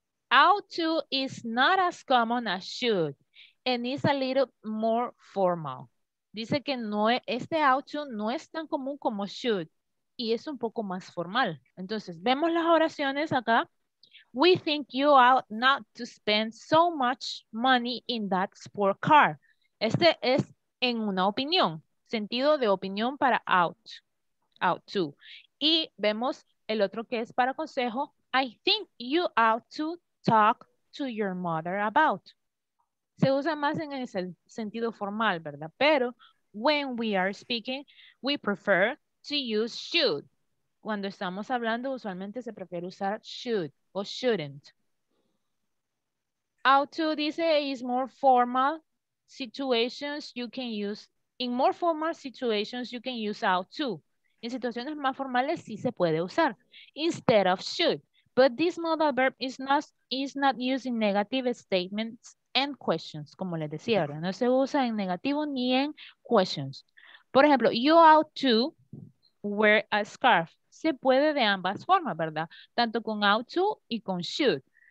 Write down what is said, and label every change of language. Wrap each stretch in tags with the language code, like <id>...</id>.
<en>Ought to is not as common as should and is a little more formal.</en> <es>Dice que no, este ought to no es tan común como should y es un poco más formal. Entonces, vemos las oraciones acá.</es> <en>We think you ought not to spend so much money in that sport car.</en> <es>Este es en una opinión, sentido de opinión para ought to. Y vemos el otro que es para consejo.</es> <en>I think you ought to talk to your mother about.</en> <es>Se usa más en el sentido formal, ¿verdad?</es> <en>Pero when we are speaking, we prefer to use should.</en> <es>Cuando estamos hablando, usualmente se prefiere usar should o shouldn't.</es> <en>Ought to dice is more formal situations you can use. In more formal situations, you can use ought to.</en> <es>En situaciones más formales sí se puede usar.</es> <en>Instead of should. But this modal verb is not used in negative statements and questions.</en> <es>Como les decía, ¿verdad? No se usa en negativo ni en questions. Por ejemplo,</es> <en>you ought to wear a scarf.</en> <es>se puede de ambas formas, ¿verdad? Tanto con ought to y con should.</es>